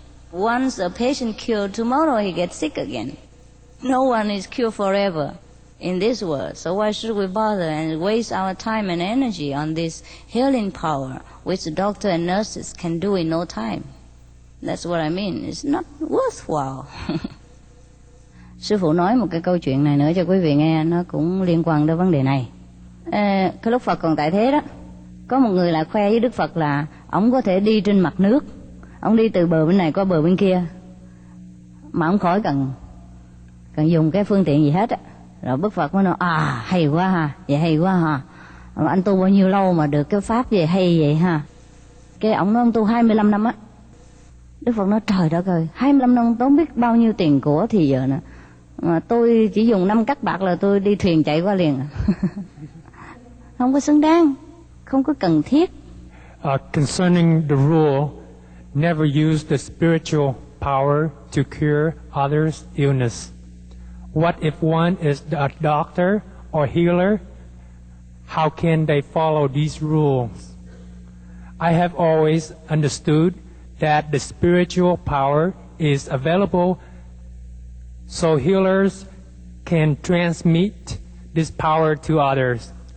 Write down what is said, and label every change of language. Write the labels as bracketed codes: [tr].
[en] Once a patient cured, tomorrow he gets sick again. No one is cured forever in this world, so why should we bother and waste our time and energy on this healing power which the doctor and nurses can do in no time? That's what I mean. It's not worthwhile. [vi] Sư phụ nói một cái câu chuyện này nữa cho quý vị nghe, nó cũng liên quan đến vấn đề này. Cái lúc Phật còn tại thế đó, có một người lại khoe với Đức Phật là ông có thể đi trên mặt nước, ông đi từ bờ bên này qua bờ bên kia mà ông khỏi cần dùng cái phương tiện gì hết á. Rồi Đức Phật mới nói, à hay quá ha, vậy hay quá ha, anh tu bao nhiêu lâu mà được cái pháp gì hay vậy ha. Cái ông nói ông tu 25 năm á. Đức Phật nói, trời đất ơi, 25 năm tốn biết bao nhiêu tiền của thì giờ nữa, mà tôi chỉ dùng 5 cắt bạc là tôi đi thuyền chạy qua liền. Không có xứng đáng, không có cần thiết. [en] Concerning the rule, never use the spiritual power to cure others' illness. What if one is a doctor or healer? How can they follow these rules? I have always understood that the spiritual power is available so healers can transmit this power to others.